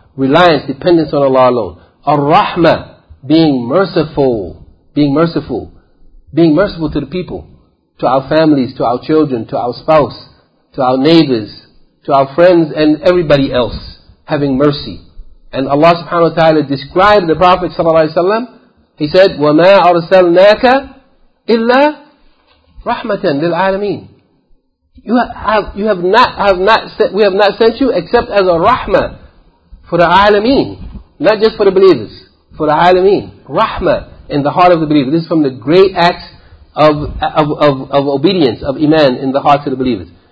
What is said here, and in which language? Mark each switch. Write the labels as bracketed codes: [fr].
[en] Reliance, dependence on Allah alone. Ar-Rahma, being merciful. Being merciful. Being merciful to the people. To our families, to our children, to our spouse, to our neighbors, to our friends and everybody else. Having mercy. And Allah subhanahu wa ta'ala described the Prophet sallallahu alayhi wa sallam. He said, [ar] وَمَا أَرْسَلْنَاكَ إِلَّا رَحْمَةً لِلْعَالَمِينَ. [en] We have not sent you except as a rahmah for the alameen. Not just for the believers. For the alameen. Rahmah in the heart of the believer. This is from the great acts of obedience, of iman in the hearts of the believers.